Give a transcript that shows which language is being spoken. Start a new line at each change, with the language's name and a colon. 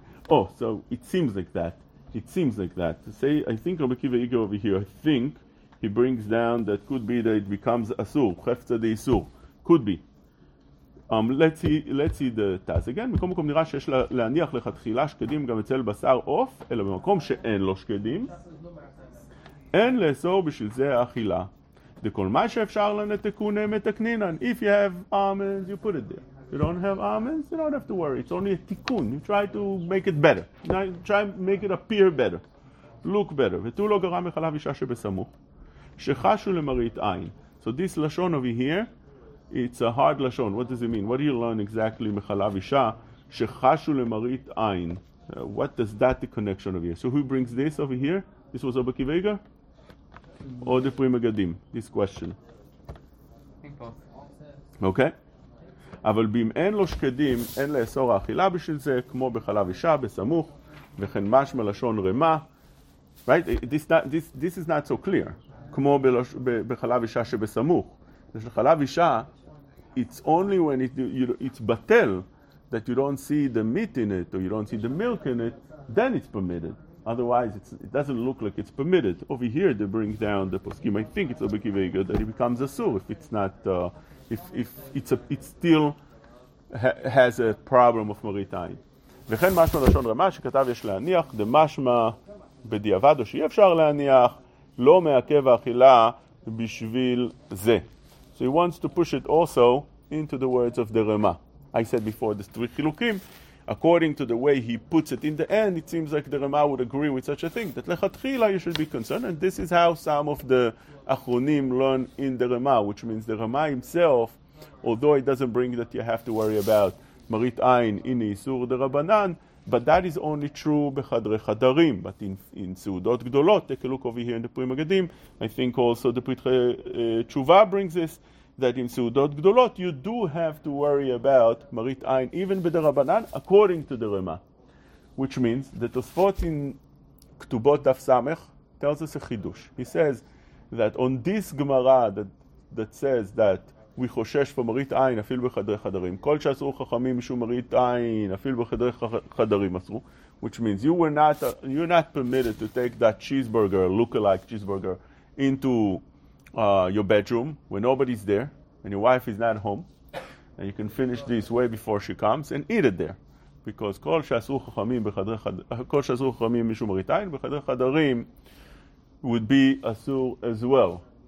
English: Oh, so it seems like that. It seems like that. Say, I think Rabbi Kiva Iger over here, I think he brings down that could be that it becomes asur, chefza de isur. Could be. Let's see the Taz again.
Hebrew: מקום מקום נראה שיש להניח לכתחילה שקדים גם אצל בשר אוף, אלא במקום שאין לו שקדים, אין לאסור בשביל זה האכילה.
English: If you have almonds, you put it there. If you don't have almonds, you don't have to worry. It's only a tikkun. You try to make it better. Now try to make it appear better. Look better. So this lashon over here, it's a hard lashon. What does it mean? What do you learn exactly? What does that the connection over here? So who brings this over here? This was Rabbi Akiva Iger? Or the Prima Gadim, this question. Okay.
Hebrew: אבל בים אין לו שקדים, אין לאסור האכילה בשביל זה, כמו בחלב אישה, בסמוך, וכן מש מלשון רמה. Right?
English: This is not so clear.
Hebrew: כמו בחלב אישה שבסמוך. יש לחלב אישה,
English: it's only when it's בטל, that you don't see the meat in it or you don't see the milk in it, then it's permitted. Otherwise, it doesn't look like it's permitted. Over here, they bring down the poskim. I think it's a Obeki Vega that it becomes a su if it's not, if it's a, it still has a problem of maritime.
Hebrew: וכן משמע לשון רמה שכתב יש להניח דמשמע בדיעבד או שאי אפשר להניח לא מעכב האכילה בשביל זה.
English: So he wants to push it also into the words of the רמה. I said before the three חילוקים, according to the way he puts it in the end, it seems like the רמה would agree with such a thing, that לכתחילה you should be concerned, and this is how some of the אחרונים learn in the רמה, which means the רמה himself, although it doesn't bring that you have to worry about Marit Ain in Isur de Rabbanan, but that is only true Bechadre Chadarim. But in Seudot Gdolot, take a look over here in the Prima Gedim, I think also the Pritre Tshuva brings this, that in Seudot Gdolot, you do have to worry about Marit Ain, even with the Rabbanan, according to the Rema. Which means that Tosfot in Ktubot Daf Samech tells us a Chidush. He says that on this Gemara that says that we חושש for מרית עין,
Hebrew: אפילו בחדרי חדרים. כל שאסרו חכמים משום מרית עין, אפילו בחדרי חדרים אסרו.
English: Which means you're not permitted to take that cheeseburger, look-alike cheeseburger, into your bedroom when nobody's there and your wife is not home, and you can finish this way before she comes and eat it there, because
Hebrew: כל שאסרו חכמים משום מרית עין, בחדרי חדרים would
English: be אסור as well.